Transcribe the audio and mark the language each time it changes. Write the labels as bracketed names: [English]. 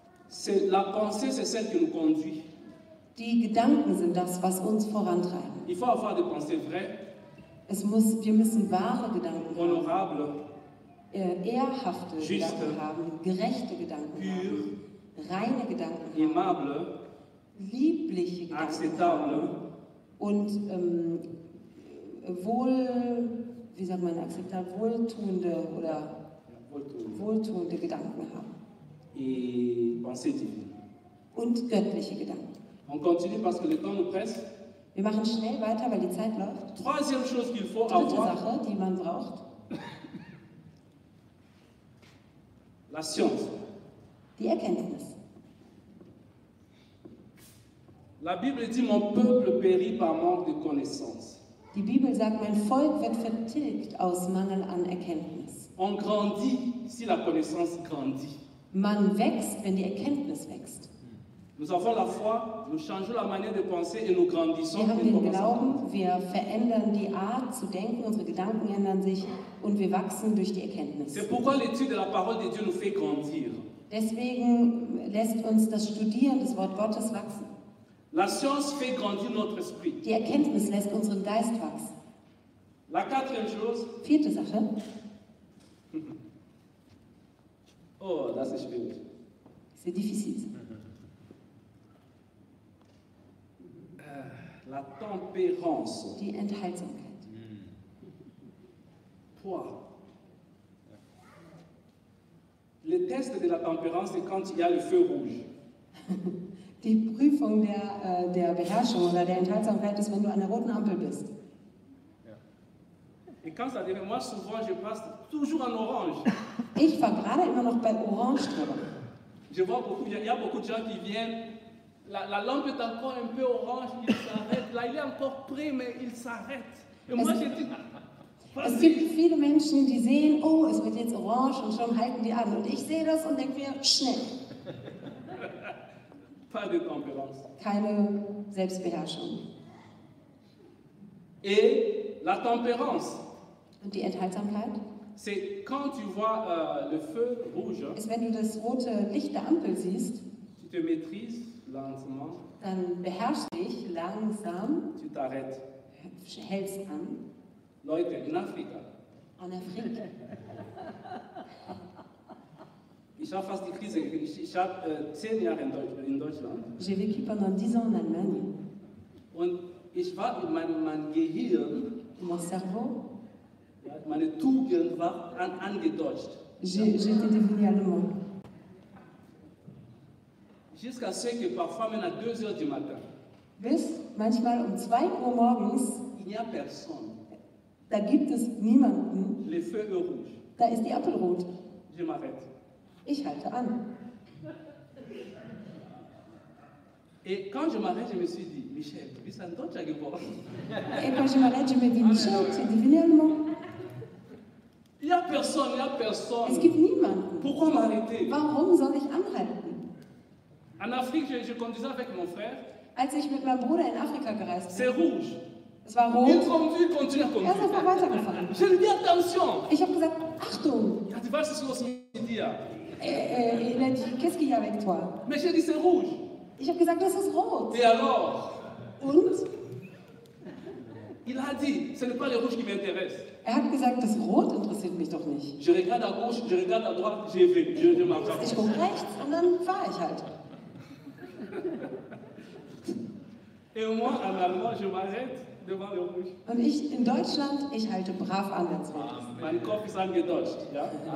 [French] C'est la pensée, c'est celle qui nous conduit. [German] Die Gedanken sind das, was uns vorantreiben. [French] Il faut avoir des pensées vraies. [German] Wir müssen wahre Gedanken haben. [French] Honorable. [German] Ehrhafte [French] juste, [German] Gedanken haben. Gerechte Gedanken [French] pur, [German] haben. Reine Gedanken [French] haben. Aimable. [German] Liebliche Gedanken [French] acceptable, [German] und wohl, wie sagt man, akzeptabel, wohltuende oder wohltuende Gedanken haben. [French] Et pensée divine. [German] Und göttliche Gedanken. [French] On continue parce que le temps nous presse. [German] Wir machen schnell weiter, weil die Zeit läuft. [French] Troisième chose qu'il faut [German] dritte [French] avoir. [German] Sache, die man braucht. [French] La science. [German] Die Erkenntnis. [French] La Bible dit, mon peuple périt par manque de connaissance. [German] Die Bibel sagt, mein Volk wird vertilgt aus Mangel an Erkenntnis. [French] On grandit si la connaissance grandit. [German] Man wächst, wenn die Erkenntnis wächst. [French] Nous avons la foi, nous changeons la manière de penser et nous grandissons. [German] Wir haben den Glauben, wir verändern die Art zu denken, unsere Gedanken ändern sich und wir wachsen durch die Erkenntnis. [French] C'est pourquoi l'étude de la parole de Dieu nous fait grandir. [German] Deswegen lässt uns das Studieren des Wort Gottes wachsen. [French] La science fait grandir notre esprit. [German] Die Erkenntnis lässt unseren Geist wachsen. [French] La quatrième chose. [German] Vierte Sache. Oh, das ist schwierig. [French] C'est difficile. La tempérance. [German] Die Enthaltsamkeit. [French] Poids. Le test de la tempérance, c'est quand il y a le feu rouge. [German] Die Prüfung der, der Beherrschung oder der Enthaltsamkeit ist, wenn du an der roten Ampel bist. [French] Ja. Et quand ça devient, moi souvent je passe toujours en orange. [German] Ich fahre gerade immer noch bei Orange drüber. [French] Je vois beaucoup, il y a beaucoup de gens qui viennent. La lampe est encore un peu orange, il s'arrête. Là, il est encore prêt, mais il s'arrête. Et moi, j'ai dit. [German] Es gibt viele Menschen, die sehen, oh, es wird jetzt orange und schon halten die an. Und ich sehe das und denke mir, schnell. [French] Pas de tempérance. [German] Keine Selbstbeherrschung. [French] Et la tempérance. [German] Und die Enthaltsamkeit. [French] C'est quand tu vois le feu rouge. [German] Ist, wenn du das rote Licht der Ampel siehst. [French] Tu te maîtrises lentement. [German] Dann beherrschst dich langsam. [French] Tu t'arrêtes. [German] Hältst an. Leute, in Afrika. [French] En Afrique. [German] Ich habe fast die Krise. Ich habe 10 Jahre in Deutschland. [French] J'ai vécu pendant 10 ans en Allemagne. [German] Und ich war in mein Gehirn. [French] Mon cerveau. [German] Meine Tugend war angedeutscht. [French] J'étais devenu allemand. Jusqu'à ce que parfois même à 2 heures du matin. [German] Bis manchmal um 2 Uhr morgens. [French] Il n'y a personne. [German] Da gibt es niemanden. [French] Les feuilles rouges. [German] Da ist die Ampel rot. [French] Je m'arrête. [German] Ich halte an. [French] Et quand je m'arrête, je me suis dit, Michel, tu es un [German] Deutscher geworden. [French] Et quand je m'arrête, je me dis, Michel, tu es devenu allemand. Il n'y a personne, il n'y a personne. [German] Es gibt niemanden. [French] Pourquoi m'arrêter? [German] Warum soll ich anhalten? [French] En Afrique, je conduisais avec mon frère. [German] Als ich mit meinem Bruder in Afrika gereist bin. [French] C'est rouge. [German] Es war rot. [French] Il conduit, continue. [German] Er ist einfach weitergefahren. [French] Je lui dis attention. [German] Ich habe gesagt, Achtung. Ja, du weißt, was los mit dir. [French] Il a dit, qu'est-ce qu'il y a avec toi? Mais j'ai dit, c'est rouge. [German] Ich habe gesagt, das ist rot. [French] Et alors? [German] Und? [French] Il a dit, ce n'est pas le rouge qui m'intéresse. [German] Er hat gesagt, das Rot interessiert mich doch nicht. [French] Je regarde à gauche, je regarde à droite, j'ai fait. Je marche. [German] Ich gucke rechts und dann fahre ich halt. [French] Et moi, en allemand, je m'arrête. [German] Und ich in Deutschland, ich halte brav an der Zeit. Mein Kopf ist angedeutscht, ja.